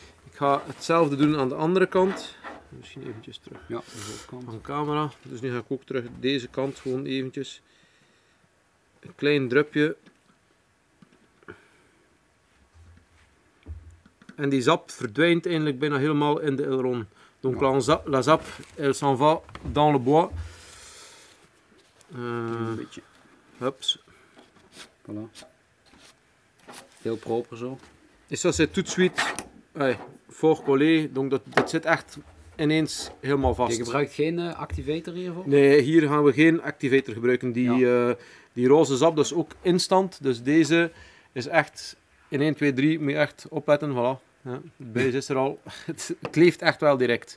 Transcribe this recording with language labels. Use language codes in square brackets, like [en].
[nl] Ik ga hetzelfde doen aan de andere kant. Misschien eventjes terug. Ja, de kant. Aan camera. Dus nu ga ik ook terug deze kant gewoon eventjes. Een klein drupje. En die zap verdwijnt eindelijk bijna helemaal in de aileron. [fr] Donc la zap, elle s'en va dans le bois. [nl] Een beetje. Hups. Voilà. Heel proper zo. [fr] Et ça c'est tout de suite fort collé. [nl] Donc dat zit echt ineens helemaal vast. Je gebruikt geen activator hiervoor? Nee, hier gaan we geen activator gebruiken. Die roze zap, dat is ook instant. Dus deze is echt in 1, 2, 3 moet je echt opletten. Voilà. Ja, het buis is er al. Het kleeft echt wel direct.